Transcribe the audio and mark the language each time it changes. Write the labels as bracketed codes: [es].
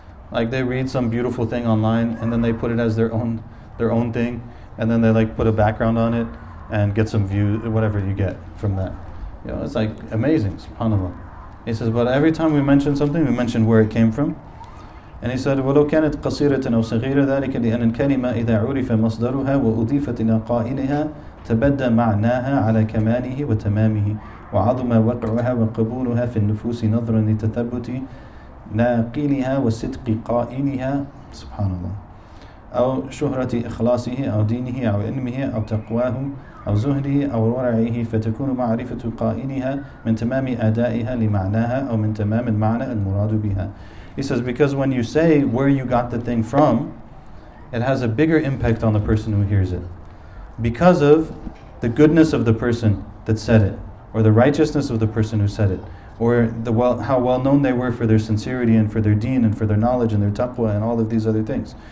[en] Like they read some beautiful thing online and then they put it as their own thing, and then they like put a background on it and get some view, whatever you get from that. You know, it's like amazing, subhanAllah. He says, but every time we mention something, we mention where it came from. And he said, [ar] وَلَوْ كَانَتْ قَصِيرَةً أَوْ صَغِيرَ ذَلِكَ لِأَنَّ الْكَلِمَةَ إِذَا عُرِفَ مَصْدَرُهَا وَأُضِيفَتْ إِلَى قَائِلِهَا تَبَدَّ مَعْنَاهَا عَلَى كَمَالِهِ وَتَمَامِهِ وَعَظُمَ وَقْعُهَا وَقَبُولُهَا فِي النُّفُوسِ نَظْرًا لِتَثَبُّتِ نَاقِلِهَا وَصِدْقِ قَائِلِهَا سبحان الله أو شهرة إخلاصه أو دينه أو علمه أو تقواه أو زهده أو ورعه فتكون معرفة قائلها من تمام أدائها لمعناها أو من تمام المعنى المراد بها. [en] He says, because when you say where you got the thing from, it has a bigger impact on the person who hears it. Because of the goodness of the person that said it, or the righteousness of the person who said it, or the how well known they were for their sincerity and for their deen and for their knowledge and their taqwa and all of these other things.